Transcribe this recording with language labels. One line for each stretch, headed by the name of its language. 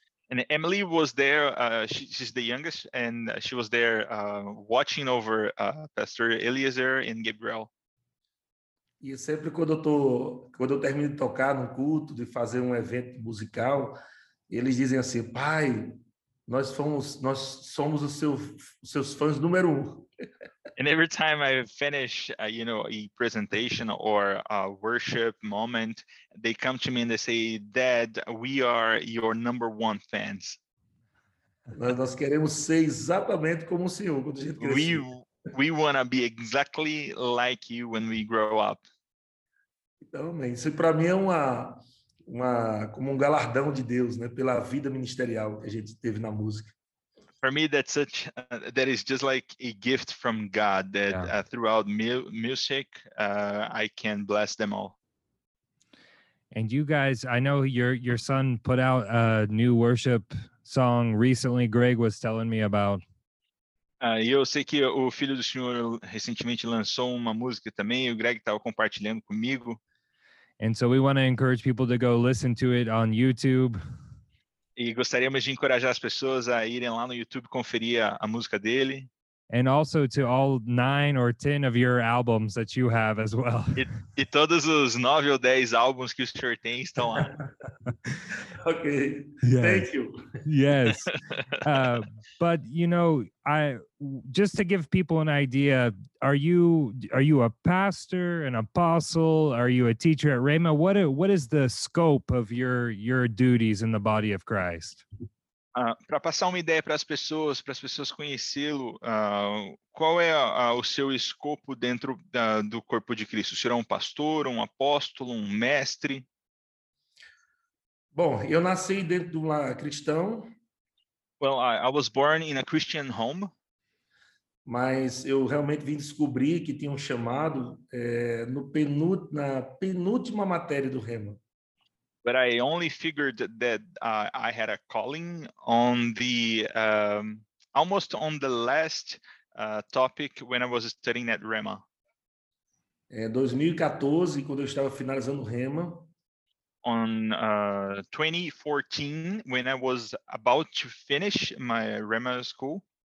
English: And Emily was there. She's the youngest. And she was there watching over Pastor Eliezer and Gabriel.
Portuguese: E sempre quando eu termino de tocar num culto, de fazer evento musical, eles dizem assim, pai, nós somos os seus fãs número um.
English: And every time I finish, you know, a presentation or a worship moment, they come to me and they say, dad, we are your number one fans.
Portuguese: Nós queremos ser exatamente como o senhor, quando a gente crescer.
English: We want to be exactly like you when we grow up.
Portuguese: Então, isso para mim é como um galardão de Deus, né, pela vida ministerial que a gente teve na música.
English: For me, that's such that is just like a gift from God that throughout music I can bless them all. And you guys, I know your son put out a new worship song recently. Greg was telling me about.
Portuguese: Eu sei que o filho do senhor recentemente lançou uma música também. O Greg estava compartilhando comigo.
English: And so we want to encourage people to go listen to it on YouTube.
Portuguese: E gostaríamos de encorajar as pessoas a irem lá no YouTube conferir a música dele.
English: And also to all 9 or 10 of your albums that you have as well.
Portuguese: E todos os 9 ou 10 álbuns que o senhor tem estão lá.
English: Okay, yes. Thank you. Yes. But, you know, I just to give people an idea, are you a pastor, an apostle? Are you a teacher at Rhema? What is the scope of your duties in the body of Christ?
Portuguese: Para passar uma ideia para as pessoas conhecê-lo, qual é o seu escopo dentro do corpo de Cristo? O senhor é um pastor, um apóstolo, um mestre? Bom, eu nasci dentro de um lar cristão.
English: Well, I was born in a Christian home.
Portuguese: Mas eu realmente vim descobrir que tinha um chamado na penúltima matéria do Rhema.
English: But I only figured that I had a calling on the almost on the last topic when I was studying at Rhema.
Portuguese: 2014, quando eu estava finalizando o Rhema.
English: On 2014, when I was about to finish my Rhema school.